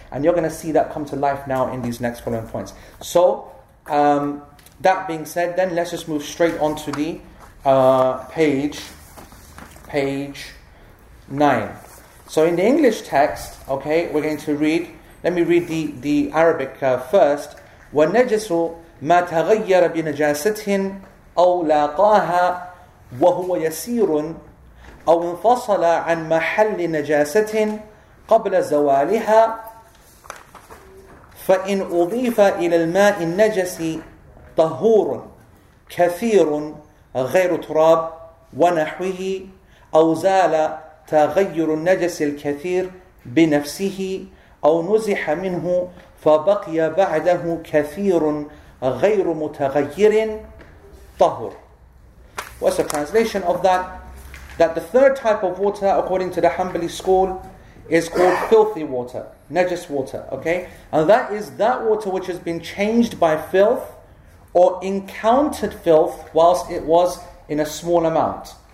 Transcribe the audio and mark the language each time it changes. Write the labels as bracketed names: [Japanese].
[English] And you're going to see that come to life now in these next following points. So, that being said, then let's just move straight on to the page 9. So in the English text, okay, we're going to read, let me read the Arabic first. [Arabic] وَنَجَسُ مَا تَغَيَّرَ بِنَجَاسَتٍ أَوْ لَاقَاهَا وَهُوَ يَسِيرٌ أَوْ انْفَصَلَ عَنْ مَحَلِّ نَجَاسَتٍ قَبْلَ زَوَالِهَا فَإِنْ أُضِيفَ إِلَى الْمَاءِ النَّجَسِ طهور كثير غير تراب ونحوه أو زال تغير النجس الكثير بنفسه أو نزح منه فبقي بعده كثير غير متغير طهور. [English] What's the translation of that? That the third type of water, according to the Hanbali school, is called filthy water, najis water, okay? And that is that water which has been changed by filth or encountered filth whilst it was in a small amount.